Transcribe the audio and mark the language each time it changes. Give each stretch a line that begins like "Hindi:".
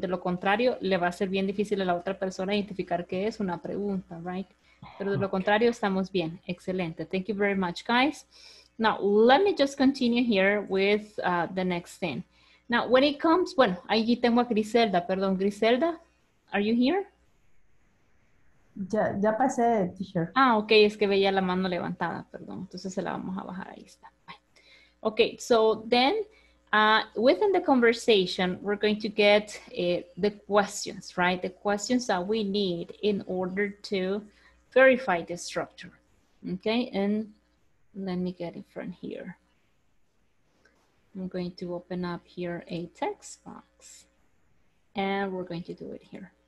Spanish: De lo contrario, le va a ser bien difícil a la otra persona identificar qué es una pregunta, right? Pero de lo contrario, estamos bien. Excelente.
English: Thank you very much, guys. Now, let me just continue here with the next thing. Now, when it comes,
Spanish: bueno, ahí tengo a Griselda, perdón.
English: Griselda, are you here?
Spanish: Ya pasé, teacher. Ah, okay, es que veía la mano levantada, perdón. Entonces se la vamos a bajar, ahí está.
English: Okay, so then... within the conversation, we're going to get the questions, right? The questions that we need in order to verify the structure. Okay, and let me get it from here. I'm going to open up here a text box and we're going to do it here.